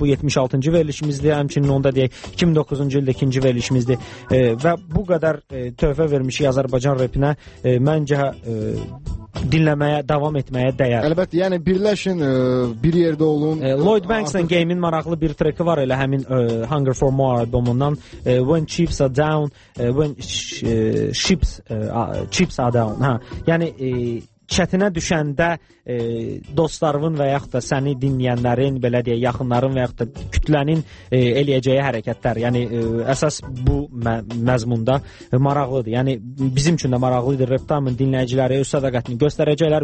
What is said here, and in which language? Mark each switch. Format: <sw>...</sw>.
<az>Bu 76-cı verilişimizdir, həmçinin onda deyək 2009-cu ildə ikinci verilişimizdir. Və bu qədər tövbə vermişik Azərbaycan rapinə, məncə dinləməyə, davam etməyə dəyər. Əlbəttə, yəni birləşin, bir yerdə olun. Lloyd Banks-ın Game-in maraqlı bir treki var elə həmin Hunger for More albumundan.</az> <en>When chips are down, when chips chips are down. Ha.</en> <az>Yəni çətinə düşəndə dostlarının və yaxud da səni dinləyənlərin, belə deyə, yaxınların və yaxud da kütlənin eləyəcəyi hərəkətlər. Yəni, əsas bu məzmunda maraqlıdır. Yəni, bizim üçün də maraqlıdır. Reptamın dinləyiciləri öz sədaqətini göstərəcəklər.</az>